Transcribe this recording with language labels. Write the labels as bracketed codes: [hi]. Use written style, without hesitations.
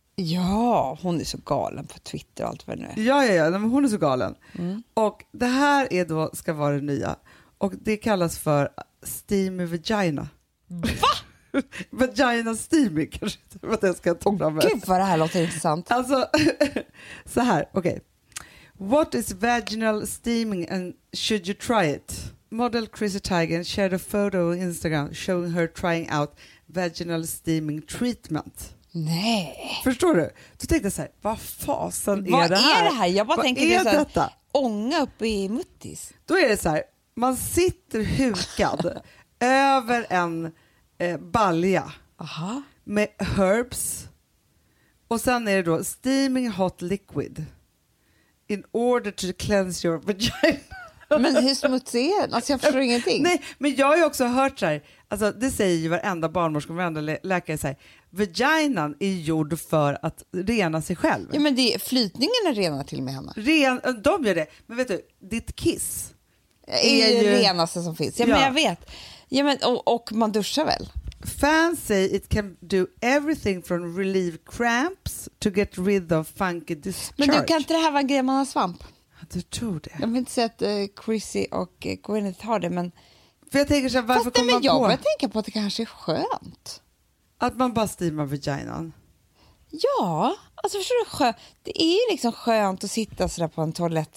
[sv] Ja, hon är så galen på Twitter och allt vad det nu är. Ja, men hon är så galen. Mm. Och det här är då, ska vara det nya. Och det kallas för Steamy Vagina. Va? Vagina Steamy kanske vad det ska ta fram. Gud vad det här låter intressant. Alltså, så här, okej. [en] What is vaginal steaming and should you try it? Model Chrissy Teigen shared a photo on Instagram showing her trying out vaginal steaming treatment. [sv] Nej. Förstår du? Du tänkte så här, vad fasen vad är det här? Vad är det här? Jag bara vad tänker är det så här, detta? Ånga upp i muttis. Då är det så här, man sitter hukad över en balja. Aha. Med herbs. Och sen är det då [en] steaming hot liquid. In order to cleanse your vagina. [sv] Men hur smutsig är den? Alltså jag förstår ingenting. Nej, men jag har ju också hört så här. Alltså det säger ju varenda barnmorska och varenda läkare så här. Vaginan är gjord för att rena sig själv. Ja, men det är, flytningen är rena till med henne. De gör det. Men vet du, ditt kiss är ju renaste som finns. Ja, men jag vet. Ja, men, och man duschar väl? [en] Fans say it can do everything from relieve cramps to get rid of funky discharge. [sv] Men du, kan inte det här vara en grej man har svamp? Du tror det. Jag vill inte säga att Chrissy och Gwyneth har det, men... För jag tänker så här, varför kommer man på? Jag tänker på att det kanske är skönt. Att man bara steamar vaginan. Ja, alltså förstår du, det är ju liksom skönt att sitta så där på en toalett.